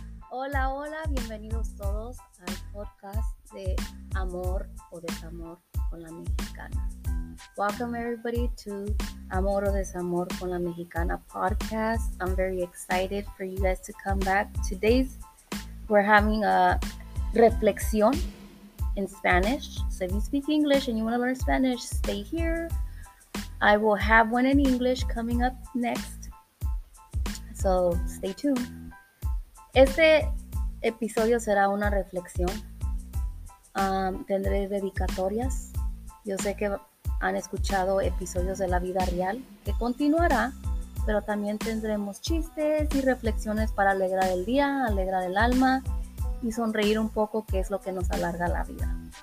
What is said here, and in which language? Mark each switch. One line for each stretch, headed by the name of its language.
Spanish: Hola, hola, bienvenidos todos al podcast de Amor o Desamor con la Mexicana.
English: Welcome everybody to Amor o Desamor con la Mexicana podcast. I'm very excited for you guys to come back. Today we're having a reflexión in Spanish. So if you speak English and you want to learn Spanish, stay here. I will have one in English coming up next. So stay tuned.
Spanish: Este episodio será una reflexión. Tendré dedicatorias. Yo sé que han escuchado episodios de la vida real, que continuará, pero también tendremos chistes y reflexiones para alegrar el día, alegrar el alma y sonreír un poco, que es lo que nos alarga la vida.